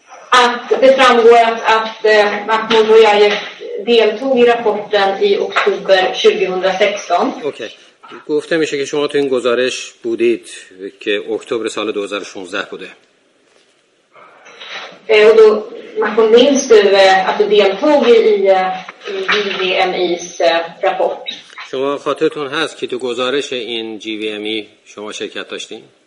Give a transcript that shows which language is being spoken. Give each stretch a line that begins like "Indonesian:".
Swedish: Att det framgår att Mahmoud Rojaev deltog i rapporten i oktober 2016. Okej.
Persian: گفته میشه که شما تو این گزارش بودید که اکتبر سال 2016 بوده.
Swedish: Och då Mahmoud, minns du att du deltog i JVMI:s rapport?
Persian: شما خاطرتون هست که تو گزارش این JVMI شما شرکت داشتین؟